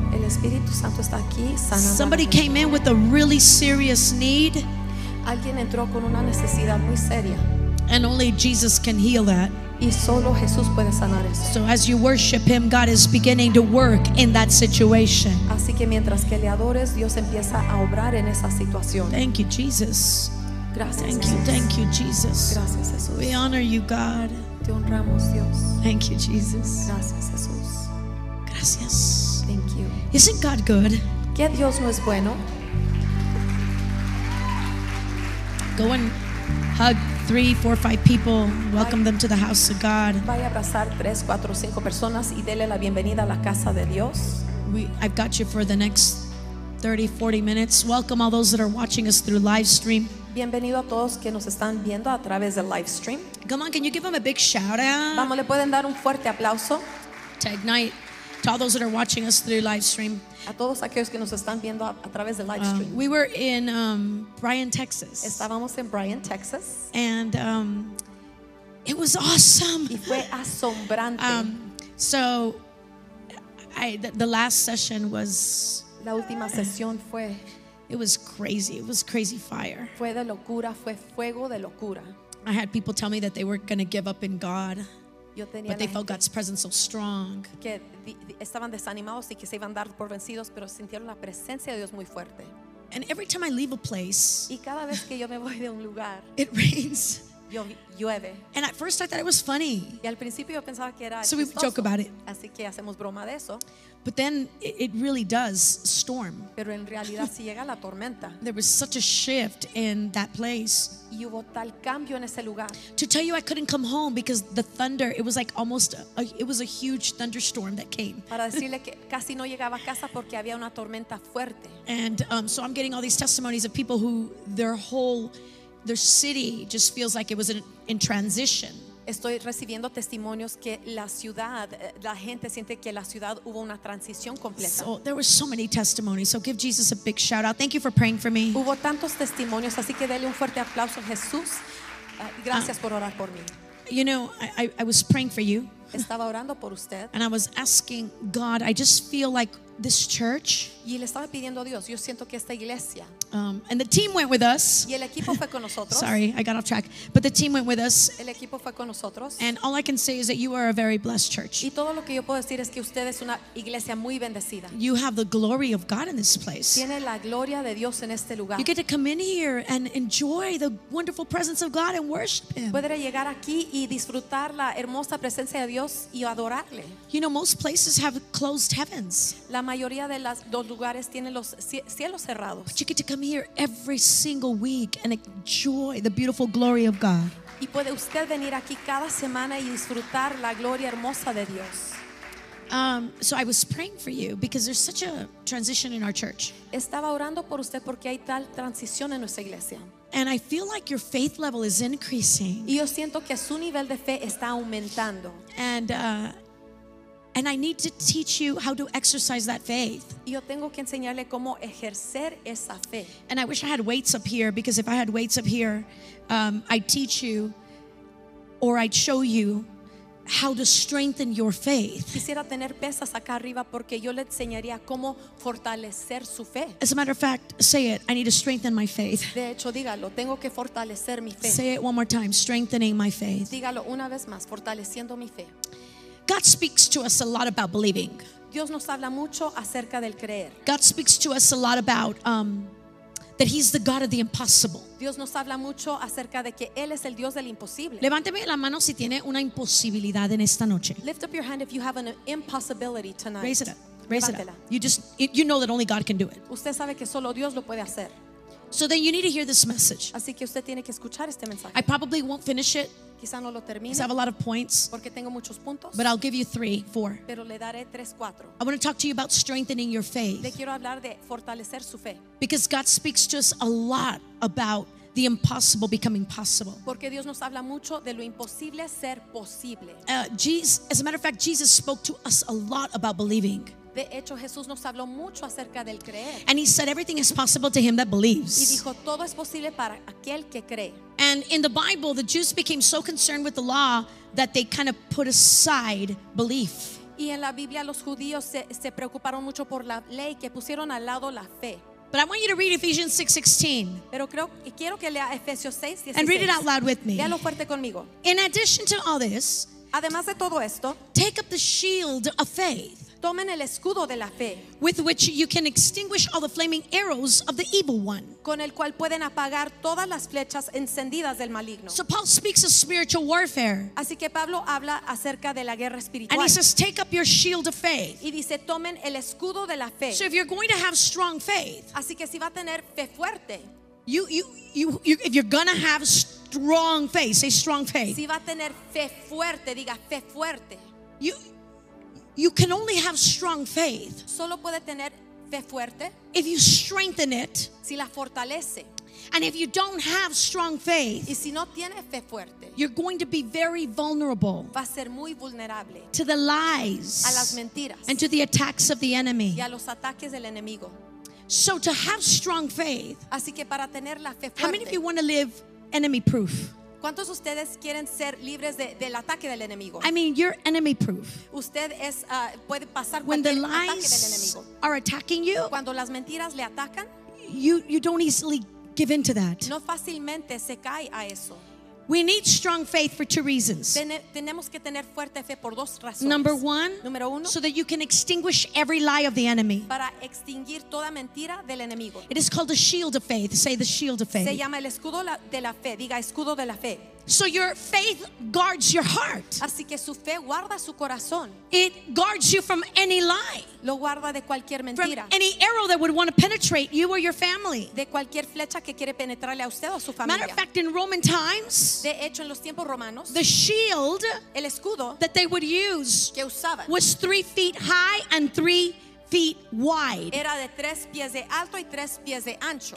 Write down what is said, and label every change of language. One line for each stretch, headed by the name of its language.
Spanish: El Espíritu Santo está aquí, sanando.
English: Somebody came in with a really serious need.
Spanish: Alguien entró con una necesidad muy seria.
English: And only Jesus can heal that.
Spanish: Y solo Jesús puede sanar eso.
English: So as you worship Him, God is beginning to work in that situation.
Spanish: Así que mientras que le adores, Dios empieza a obrar en esa situación.
English: Thank you, Jesus.
Spanish: Gracias,
English: thank
Spanish: Jesús.
English: You, thank you, Jesus.
Spanish: Gracias, Jesús.
English: We honor you, God.
Spanish: Te honramos, Dios.
English: Thank you, Jesus.
Spanish: Gracias, Jesús. Gracias.
English: Thank you. Isn't God good?
Spanish: ¿Qué Dios no es bueno?
English: Go and hug 3, 4, 5 people. Welcome them to the house of God.
Spanish: Vaya a abrazar 3, 4, 5 personas y dele la bienvenida a la casa de Dios.
English: I've got you for the next 30-40 minutes. Welcome all those that are watching us through live stream.
Spanish: Bienvenido a todos que nos están viendo a través del live stream.
English: Come on, can you give them a big shout out?
Spanish: Vamos, le pueden dar un fuerte aplauso.
English: To Ignite, to all those that are watching us through live stream.
Spanish: A todos aquellos que nos están viendo a través del live stream.
English: We were in Bryan, Texas.
Spanish: Estábamos en Bryan, Texas.
English: And it was awesome.
Spanish: Y fue asombrante.
English: So the last session was.
Spanish: La última sesión fue.
English: It was crazy. It was crazy fire.
Spanish: Fue de locura. Fue fuego de locura.
English: I had people tell me that they were going to give up in God,
Spanish: yo tenía
English: but they felt God's presence so strong.
Spanish: Que estaban desanimados y que se iban a dar por vencidos, pero sintieron la presencia de Dios muy fuerte.
English: And every time I leave a place,
Spanish: y cada vez que yo me voy de un lugar,
English: it rains.
Spanish: Yo, llueve.
English: And at first I thought it was funny.
Spanish: Y al principio yo pensaba que era chistoso.
English: So we would joke about it.
Spanish: Así que hacemos broma de eso.
English: But then it really does storm.
Spanish: Pero en realidad sí llega la tormenta.
English: There was such a shift in that place.
Spanish: Y hubo tal cambio en ese lugar.
English: To tell you I couldn't come home because the thunder, it was like almost it was a huge thunderstorm that came.
Spanish: Para decirle que casi no llegaba a casa porque había una tormenta fuerte.
English: And so I'm getting all these testimonies of people who their whole their city just feels like it was in transition.
Spanish: Estoy recibiendo testimonios que la ciudad, la gente siente que la ciudad hubo una transición completa.
English: So there were so many testimonies. So give Jesus a big shout out. Thank you for praying for me.
Spanish: Hubo tantos testimonios, así que dele un fuerte aplauso a Jesús. Gracias por orar por mí.
English: You know, I was praying for you.
Spanish: Estaba orando por usted.
English: And I was asking God, I just feel like this church.
Spanish: Y le estaba pidiendo a Dios, yo siento que esta iglesia.
English: And the team went with us.
Spanish: Y el equipo fue con nosotros.
English: Sorry, I got off track. But the team went with us.
Spanish: El equipo fue con nosotros.
English: And all I can say is that you are a very blessed church.
Spanish: Y todo lo que yo puedo decir es que usted es una iglesia muy bendecida.
English: You have the glory of God in this place.
Spanish: Tiene la gloria de Dios en este lugar.
English: You get to come in here and enjoy the wonderful presence of God and worship Him.
Spanish: Puede llegar aquí y disfrutar la hermosa presencia de Dios y adorarle.
English: You know, most places have closed heavens.
Spanish: La mayoría de las dos lugares tienen los cielos cerrados.
English: But you get to come here every single week and enjoy the beautiful glory of God.
Spanish: Y puede usted venir aquí cada semana y disfrutar la gloria hermosa de Dios.
English: So I was praying for you because there's such a transition in our church.
Spanish: Estaba orando por usted porque hay tal transición en nuestra iglesia.
English: And I feel like your faith level is increasing.
Spanish: Y yo siento que su nivel de fe está aumentando.
English: And I need to teach you how to exercise that faith.
Spanish: Yo tengo que enseñarle cómo ejercer esa fe.
English: And I wish I had weights up here, because if I had weights up here, I'd teach you or I'd show you how to strengthen your faith.
Spanish: Quisiera tener pesas acá arriba porque yo le enseñaría cómo fortalecer su fe.
English: As a matter of fact, say it. I need to strengthen my faith.
Spanish: De hecho, dígalo. Tengo que fortalecer mi fe.
English: Say it one more time. Strengthening my faith.
Spanish: Dígalo una vez más. Fortaleciendo mi fe.
English: God speaks to us a lot about believing.
Spanish: Dios nos habla mucho acerca del creer.
English: God speaks to us a lot about that he's the God of the impossible.
Spanish: Dios nos habla mucho acerca de que él es el Dios del imposible. Levánteme la mano si tiene una imposibilidad en esta noche.
English: Lift up your hand if you have an impossibility tonight. Raise it up. Raise
Spanish: Levántela.
English: It up. You know that only God can do it.
Spanish: Usted sabe que solo Dios lo puede hacer.
English: So then you need to hear this message.
Spanish: Así que usted tiene que escuchar este mensaje.
English: I probably won't finish it.
Spanish: Quizá no lo termine.
English: Because I have a lot of points.
Spanish: Porque tengo muchos puntos.
English: But I'll give you 3-4.
Spanish: Pero le daré 3-4.
English: I want to talk to you about strengthening your faith.
Spanish: Le quiero hablar de fortalecer su fe.
English: Because God speaks to us a lot about the impossible becoming possible.
Spanish: Porque Dios nos habla mucho de lo imposible ser posible.
English: As a matter of fact, Jesus spoke to us a lot about believing.
Spanish: De hecho, Jesús nos habló mucho acerca del creer.
English: And he said everything is possible to him that believes.
Spanish: Y dijo, todo es posible para aquel que cree.
English: And in the Bible, the Jews became so concerned with the law that they kind of put aside belief.
Spanish: Y en la Biblia los judíos se preocuparon mucho por la ley que pusieron al lado la fe.
English: But I want you to read Ephesians 6:16.
Spanish: Pero creo que quiero que lea Efesios 6:16.
English: And read it out loud with me.
Spanish: Léalo fuerte conmigo.
English: In addition to all this,
Spanish: además de todo esto,
English: take up the shield of faith.
Spanish: Tomen el escudo de la fe.
English: With which you can extinguish all the flaming arrows of the evil one.
Spanish: Con el cual pueden apagar todas las flechas encendidas del maligno.
English: So Paul speaks of spiritual warfare.
Spanish: Así que Pablo habla acerca de la guerra espiritual.
English: And he says, take up your shield of faith.
Spanish: Y dice, tomen el escudo de la fe.
English: So if you're going to have strong faith.
Spanish: Así que si va a tener fe fuerte.
English: You if you're going to have strong faith, say strong faith.
Spanish: Si va a tener fe fuerte, diga fe fuerte.
English: You can only have strong faith.
Spanish: Solo puede tener fe fuerte.
English: If you strengthen it.
Spanish: Si la fortalece.
English: And if you don't have strong faith.
Spanish: Y si no tiene fe fuerte.
English: You're going to be very vulnerable.
Spanish: Va a ser muy vulnerable.
English: To the lies.
Spanish: A las mentiras.
English: And to the attacks of the enemy.
Spanish: Y a los ataques del enemigo.
English: So to have strong faith.
Spanish: Así que para tener la fe fuerte.
English: How many of you want to live enemy proof?
Spanish: ¿Cuántos de ustedes quieren ser libres del ataque del enemigo?
English: I mean, you're enemy proof.
Spanish: Usted es puede pasar cualquier ataque del enemigo.
English: When the lies are attacking you,
Spanish: cuando las mentiras le atacan,
English: you don't easily give into that.
Spanish: No fácilmente se cae a eso.
English: We need strong faith for 2 reasons.
Spanish: Tenemos que tener fuerte fe por 2 razones.
English: Number one,
Spanish: número uno,
English: so that you can extinguish every lie of the enemy.
Spanish: Para extinguir toda mentira del enemigo.
English: It is called the shield of faith. Say the shield of faith.
Spanish: Se llama el escudo de la fe. Diga escudo de la fe.
English: So your faith guards your heart.
Spanish: Así que su fe guarda su corazón.
English: It guards you from any lie.
Spanish: Lo guarda de cualquier mentira.
English: From any arrow that would want to penetrate you or your family.
Spanish: De cualquier flecha que quiere penetrarle a usted o a su familia.
English: Matter of fact, in Roman times,
Spanish: de hecho, en los tiempos romanos,
English: the shield,
Spanish: el escudo,
English: that they would use,
Spanish: que usaban,
English: was 3 feet high and 3 feet wide.
Spanish: Era de 3 pies de alto y 3 pies de ancho.